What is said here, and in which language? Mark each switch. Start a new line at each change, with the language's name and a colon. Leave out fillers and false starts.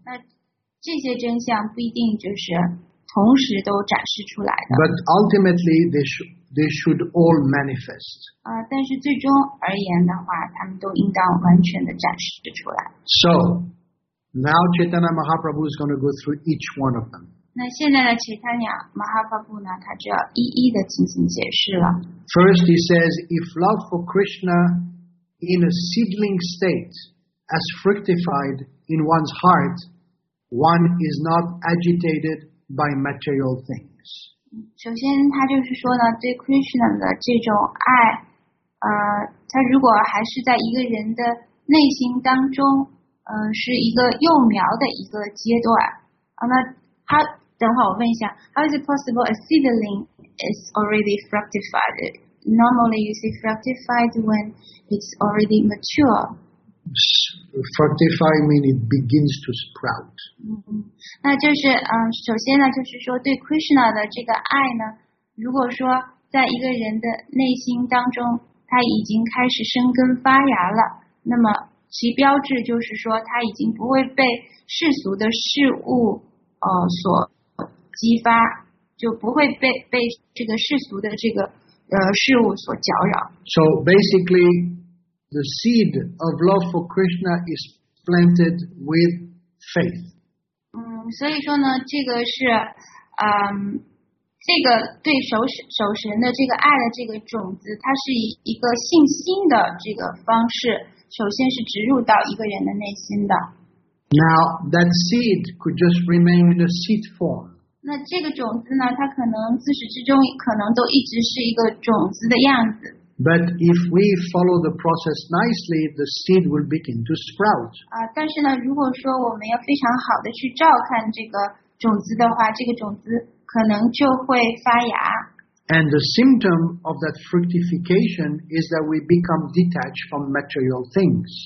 Chinese: 那这些真相不一定就是同时都展示出来的。
English: But ultimately, they should all manifest.
Chinese: 但是最终而言的话，他们都应当完全的展示出来。
English: So, now Chaitanya Mahaprabhu is going to go through each one of them.
Chinese: 那现在的 Chaitanya Mahaprabhu 呢，他就要一一的进行解释了。
English: First, he says, if love for Krishna in a seedling state has fructified in one's heart, one is not agitated by material things.
Chinese: 首先他就是说呢，对 Krishna 的这种爱他如果还是在一个人的内心当中是一个幼苗的一个阶段那他等会我问一下
English: How is it possible a seedling is already fructified? Normally you say fructified when it's already mature. Fructify means it begins to sprout.
Chinese: 那就是首先呢，就是说对 Krishna 的这个爱呢，如果说在一个人的内心当中，他已经开始生根发芽了，那么其标志就是说他已经不会被世俗的事物所激发，就不会被这个世俗的这个事物所搅扰。
English: So basically, the seed of love for Krishna is planted with faith.
Chinese: 所以说呢，这个是，这个对守神的这个爱的这个种子，它是以一个信心的这个方式，首先是植入到一个人的内心的。
English: Now that seed could just remain in a seed form.
Chinese: 那这个种子呢，它可能自始至终可能都一直是一个种子的样子。
English: But if we follow the process nicely, the seed will begin to sprout.
Chinese: 但是呢，如果说我们要非常好的去照看这个种子的话，这个种子可能就会发芽。
English: And the symptom of that fructification is that we become detached from material things.